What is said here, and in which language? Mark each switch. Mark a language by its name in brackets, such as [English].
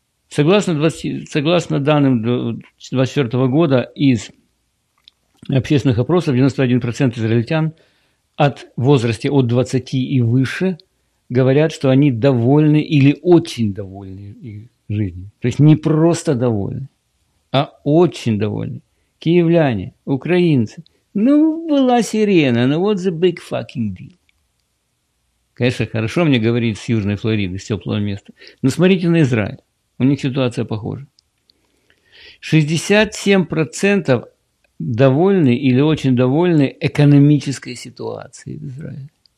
[Russian] Согласно данным 2024 года из общественных опросов, 91% израильтян от возраста от 20 и выше говорят, что они довольны или очень довольны жизнью. То есть не просто довольны, а очень довольны. Киевляне, украинцы. Ну, была сирена, но [English] what's the big fucking deal? [Russian] Конечно, хорошо мне говорить с Южной Флориды, с теплого места. Но смотрите на Израиль. У них ситуация похожа. 67% довольны или очень довольны экономической ситуацией в Израиле.